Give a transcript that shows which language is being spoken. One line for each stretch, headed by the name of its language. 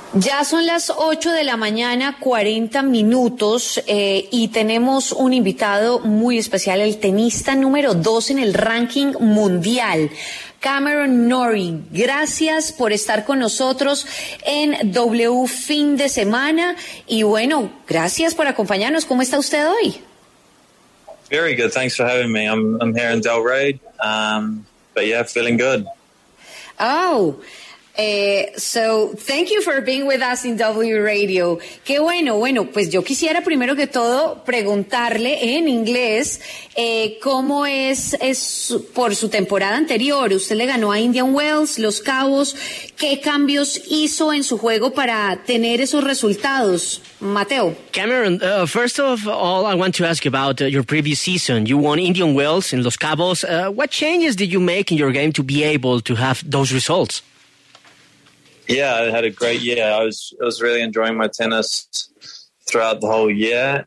Spanish: Ya son las 8 de la mañana, 40 minutos, y tenemos un invitado muy especial, el tenista número 2 en el ranking mundial, Cameron Norrie. Gracias por estar con nosotros en W fin de semana, y bueno, gracias por acompañarnos. ¿Cómo está usted hoy?
English: Very good, thanks for having me. I'm here in Delray, but yeah, feeling good. So thank you for being with us in W Radio.
Spanish: Qué bueno. Bueno, pues yo quisiera primero que todo preguntarle en inglés cómo es por su temporada anterior. Usted le ganó a Indian Wells, Los Cabos. ¿Qué cambios hizo en su juego para tener esos resultados, Mateo?
English: Cameron, first of all, I want to ask you about your previous season. You won Indian Wells and Los Cabos. What changes did you make in your game to be able to have those results? Yeah, I had a great year. I was really enjoying my tennis throughout the whole year.